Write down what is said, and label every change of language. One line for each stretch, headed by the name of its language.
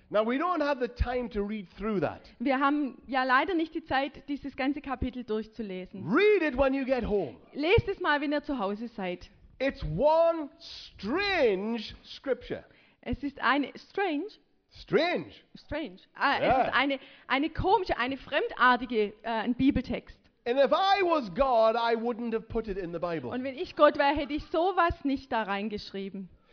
English: Now we don't have the time to read through that.
German: Wir haben ja leider nicht die Zeit, dieses ganze Kapitel durchzulesen.
English: Read it when you get home.
German: Lest es mal, wenn ihr zu Hause seid.
English: It's one strange scripture.
German: Es ist eine strange.
English: Strange. Strange. Yeah.
German: Es ist eine komische, eine fremdartige ein Bibeltext.
English: And if I was God, I wouldn't have put it in the Bible.
German: Und wenn ich Gott wäre, hätte ich sowas nicht da reingeschrieben.